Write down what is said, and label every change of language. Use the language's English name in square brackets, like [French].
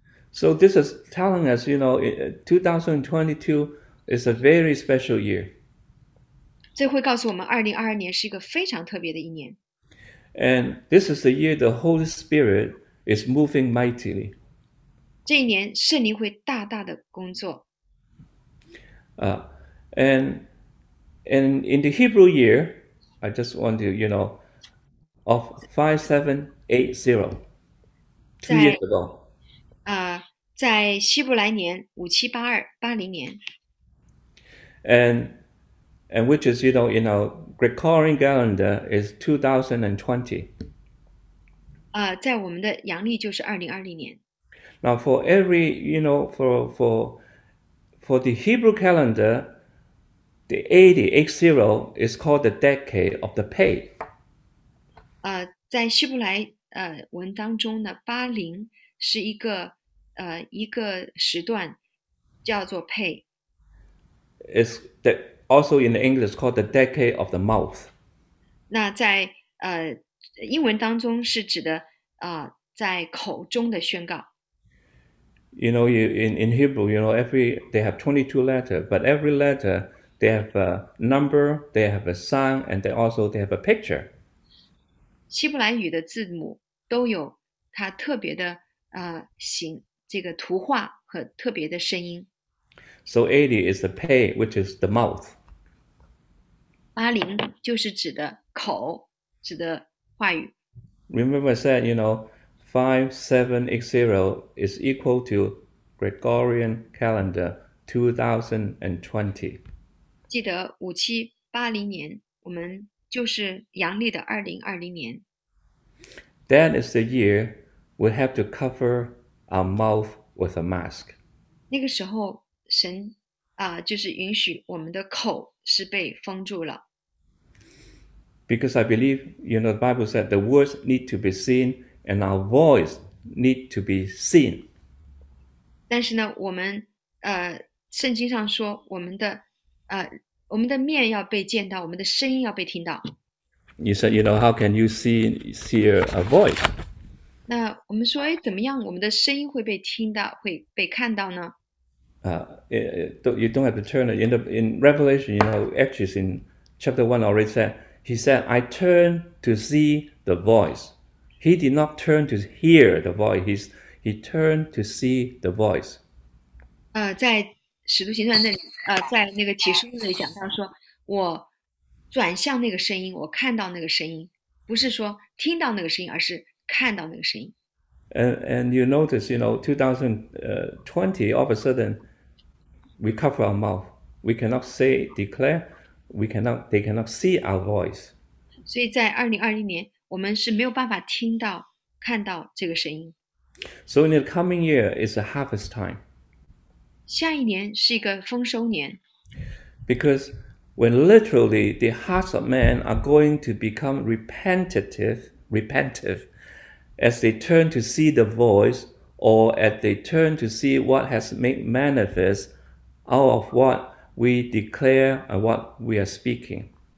[English] So this is telling us, you know, 2022 is a very special year. [Chinese] 这会告诉我们，2022年是一个非常特别的一年。 [English] And this is the year the Holy Spirit is moving mightily. [Chinese] 这一年，圣灵会大大的工作。 [English] And in the Hebrew year, I just want to, you know, of 5780, 2 years ago. [Chinese] 在希伯来年5782、80年， [English] And which is, you know, Gregorian calendar is 2020. [Chinese] 在我们的阳历就是2020年。 [English] Now for every, you know, for the Hebrew calendar, the 80 is called the decade of the pay. [Chinese] 在希伯来文当中呢，80是一个。一个时段叫做 pay， [English] It's that also in English called the decade of the mouth. [Chinese] 那在英文当中是指的在口中的宣告。 [English] You know, you in Hebrew, you know, every they have 22 letters, but every letter they have a number, they have a sign, and they also they have a picture. [Chinese] 希伯来语的字母都有它特别的形。这个图画和特别的声音， [English] So 80 is the pay, which is the mouth. [Chinese] 80就是指的口，指的话语。 [English] Remember I said, you know, 5780 is equal to Gregorian calendar 2020. [Chinese] 记得5780年，我们就是阳历的2020年。 [English] That is the year we have to cover our mouth with a mask. [Chinese] 那个时候神，就是允许我们的口是被封住了。 [English] Because I believe, you know, the Bible said the words need to be seen and our voice need to be seen. [Chinese] 但是呢，我们圣经上说，我们的面要被见到，我们的声音要被听到。 [English] You said, you know, how can you see a voice? [Chinese] 那我们说，哎，怎么样，我们的声音会被听到，会被看到呢？ [English] You don't have to turn it. In Revelation, you know, actually it's in chapter 1 already said, he said, I turn to see the voice. He did not turn to hear the voice. He turned to see the voice. [Chinese] 在《使徒行传》那里，在那个启示录那里讲到说，我转向那个声音，我看到那个声音，不是说听到那个声音，而是看到那个声音。 [English] And you notice, you know, 2020, all of a sudden, we cover our mouth. We cannot say, declare, we cannot, they cannot see our voice. [Chinese] 所以在2020年，我们是没有办法听到、看到这个声音。 [English] So in the coming year is a harvest time. [Chinese] 下一年是一个丰收年。 [English] Because when literally the hearts of men are going to become repentive, as they turn to see the voice, or as they turn to see what has made manifest out of what we declare and what we are speaking.